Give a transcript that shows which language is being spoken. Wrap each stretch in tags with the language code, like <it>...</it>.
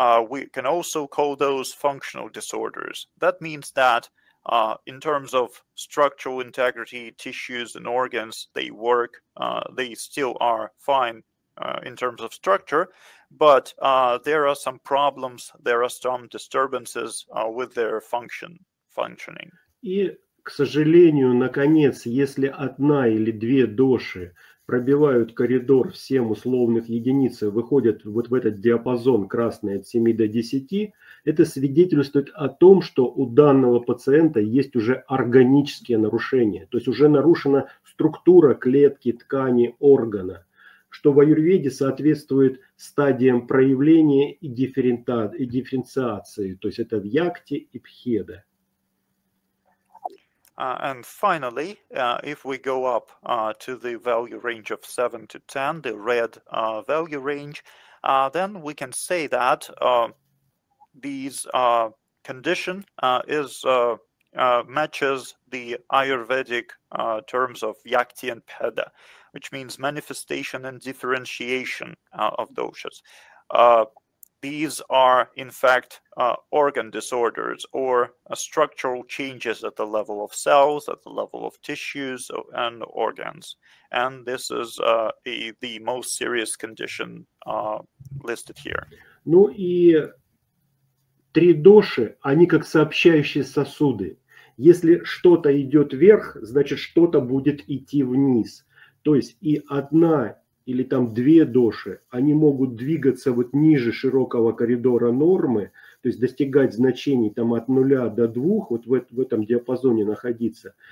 <en>We can also call those functional disorders. That means that in terms of structural integrity, tissues and organs, they work, they still are fine in terms of structure, but there are some problems, there are some disturbances with their functioning.</en> <ru>И, к сожалению, наконец, если одна или две доши пробивают коридор в 7 условных единиц, выходят вот в этот диапазон красный от 7 до 10, это свидетельствует о том, что у данного пациента есть уже органические нарушения. То есть уже нарушена структура клетки, ткани, органа, что в аюрведе соответствует стадиям проявления и дифференциации. То есть это вьякти и пхеда.</ru> <en>And finally, if we go up to the value range of 7 to 10, the red value range, then we can say that these condition is matches the Ayurvedic terms of yakti and peda, which means manifestation and differentiation of doshas. These are, in fact, organ disorders or structural changes at the level of cells, at the level of tissues and organs. And this is the most serious condition listed here.</en> <ru>Ну и три доши, они как сообщающие сосуды. Если что-то идет вверх, значит что-то будет идти вниз. То есть и одна или там две доши, они могут двигаться вот ниже широкого коридора нормы, то есть достигать значений там от нуля до двух, вот в этом диапазоне находиться.</ru>